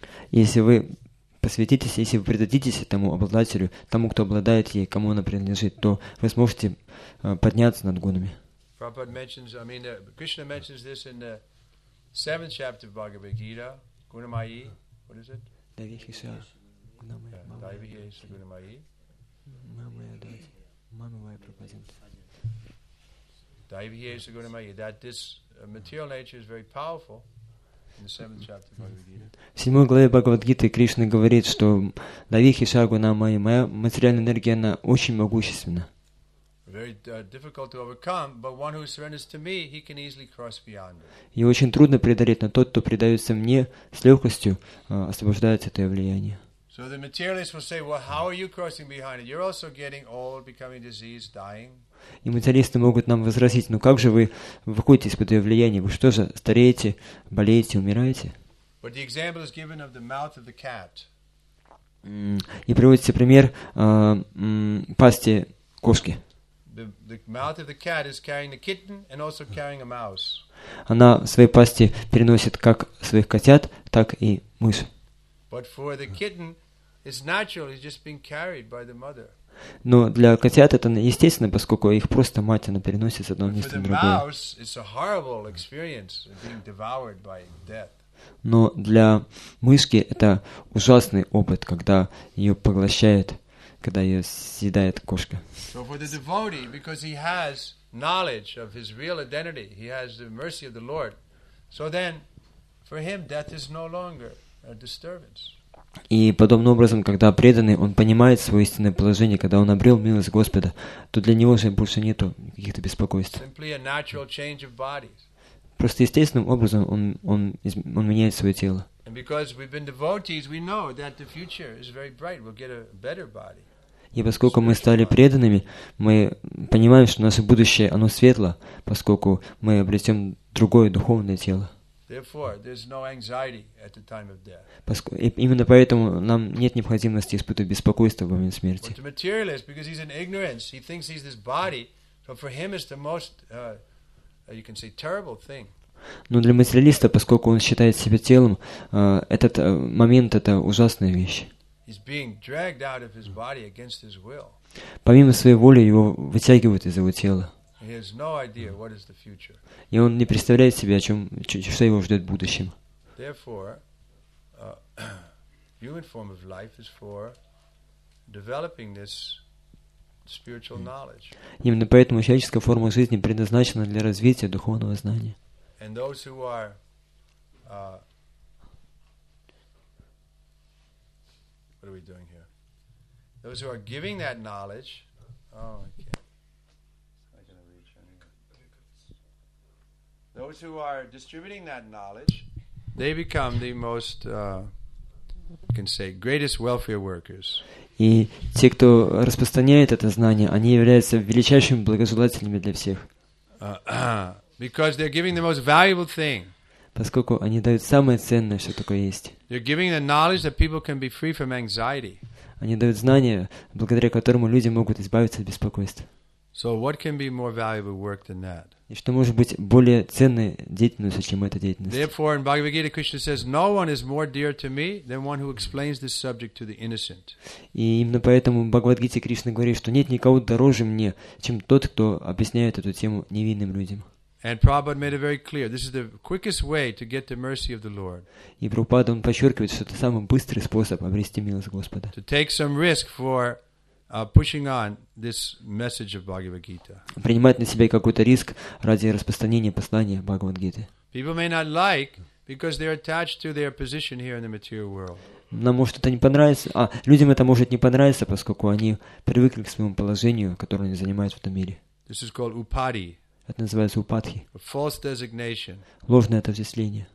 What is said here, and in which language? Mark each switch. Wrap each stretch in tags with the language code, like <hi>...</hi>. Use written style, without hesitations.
<ru>Если вы посвятитесь, если вы предадитесь тому обладателю, тому, кто обладает ей, кому она принадлежит, то вы сможете подняться над гунами.</ru> <en>Кришна mentions this in the 7th chapter of Bhagavad Gita, Gunamayi, what is it? That this material nature is very powerful in the 7th chapter of Bhagavad Gita.</en> <ru>В 7 главе Бхагавад Гиты Кришна говорит, что Давихиша Гунамайи, моя материальная энергия, она очень могущественна.</ru> <en>Very difficult to overcome, but one who surrenders to me, he can easily cross beyond it.</en> <ru>И очень трудно преодолеть, но тот, кто предается мне, с легкостью освобождается от этого влияния.</ru> <en>So the materialist will say, well, how are you crossing behind it? You're also getting old, becoming diseased, dying.</en> <ru>И материалисты могут нам возразить, ну как же вы выходите из-под этого влияния? Вы что же, стареете, болеете, умираете?</ru> <en>But the example is given of the mouth of the cat.</en> <ru>И приводится пример пасти кошки.</ru> <en>The mouth of the cat is carrying the kitten and also carrying a mouse.</en> <ru>Она в своей пасти переносит как своих котят, так и мышь.</ru> <en>But for the kitten, it's natural. It's just being carried by the mother.</en> <ru>Но для котят это естественно, поскольку их просто мать она переносит с одного места на другое.</ru> <en>For the mouse, it's a horrible experience of being devoured by death.</en> <ru>Но для мышки это ужасный опыт, когда ее поглощает. Когда ее съедает кошка.</ru> <en>So for the devotee, because he has knowledge of his real identity, he has the mercy of the Lord. So then, for him, death is no longer a disturbance.</en> <ru>И подобным образом, когда преданный, он понимает свое истинное положение, когда он обрел милость Господа, то для него же больше нету каких-то беспокойств.</ru> <en>Simply a natural change of bodies.</en> <ru>Просто естественным образом он меняет свое тело.</ru> <en>And because we've been devotees, we know that the future is very bright. We'll get a better body.</en> <ru>И поскольку мы стали преданными, мы понимаем, что наше будущее, оно светло, поскольку мы обретем другое духовное тело. Именно поэтому нам нет необходимости испытывать беспокойство во время смерти.</ru> <en>But the materialist, because he's in ignorance, he thinks he's this body, so for him it's the most, you can say, terrible thing.</en> <ru>Но для материалиста, поскольку он считает себя телом, этот момент – это ужасная вещь.</ru> <en>He's being dragged out of his body against his will.</en> <ru>Помимо своей воли, его вытягивают из его тела.</ru> <en>He has no idea what is the future.</en> <ru>И он не представляет себе, о чем, что его ждет в будущем.</ru> <en>Therefore, human form of life is for developing this spiritual knowledge.</en> <ru>Именно поэтому человеческая форма жизни предназначена для развития духовного знания.</ru> <en>And those who are what are we doing here? Those who are giving that knowledge. Oh, okay. I'm going to reach anyway. Those who are distributing that knowledge, they become the most, you can say, greatest welfare workers.</en> <ru>И те, кто распространяет это знание, они являются величайшими благожелателями для всех.</ru> <en>Because they're giving the most valuable thing.</en> <ru>Поскольку они дают самое ценное, что только есть.</ru> <en>They're giving the knowledge that people can be free from anxiety.</en> <ru>Они дают знания, благодаря которому люди могут избавиться от беспокойства.</ru> <en>So what can be more valuable work than that?</en> <ru>И что может быть более ценной деятельностью, чем эта деятельность?</ru> <en>Therefore, in Bhagavad Gita, Krishna says, "No one is more dear to me than one who explains this subject to the innocent."</en> <ru>И именно поэтому в Бхагавад-гите Кришна говорит, что нет никого дороже мне, чем тот, кто объясняет эту тему невинным людям.</ru> <en>And Prabhupada made it very clear. This is the quickest way to get the mercy of the Lord.</en> <ru>И Прабхупада он подчеркивает, что это самый быстрый способ обрести милость Господа.</ru> <en>To take some risk for pushing on this message of Bhagavad Gita.</en> <ru>Принимать на себя какой-то риск ради распространения послания Бхагавад Гиты.</ru> <en>People may not like because they're attached to their position here in the material world.</en> <ru>Нам может это не понравиться. А людям это может не понравиться, поскольку они привыкли к своему положению, которое они занимают в этом мире.</ru> <en>This is called upadhi.</en> <ru>Это называется упадхи.</ru> <en>A false designation.</en> <ru>Ложное отождествление.</ru>